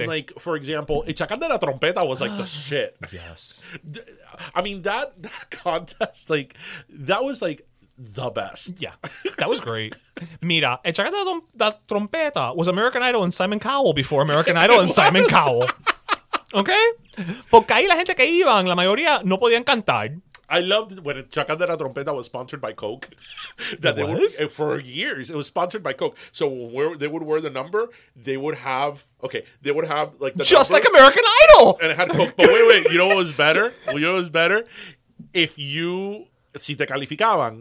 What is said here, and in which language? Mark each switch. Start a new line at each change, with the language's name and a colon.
English: And, like, for example, Echacante la Trompeta was, like, the shit. Yes. I mean, that contest, like, that was, like, the best. Yeah, that was great.
Spanish: Mira,
English: Echacante la Trompeta was American Idol and Simon Cowell before American Idol and Simon Cowell. Okay?
Spanish: Porque ahí la gente que iban, la mayoría no podían cantar.
English: I loved when Chacal de la Trompeta was sponsored by Coke. That they was? Would, for years, it was sponsored by Coke. So where they would wear the number, they would have, okay, they would have like the just number, like American Idol. And it had Coke. But wait, you know what was better? You know what was better? If you,
Spanish: si te calificaban,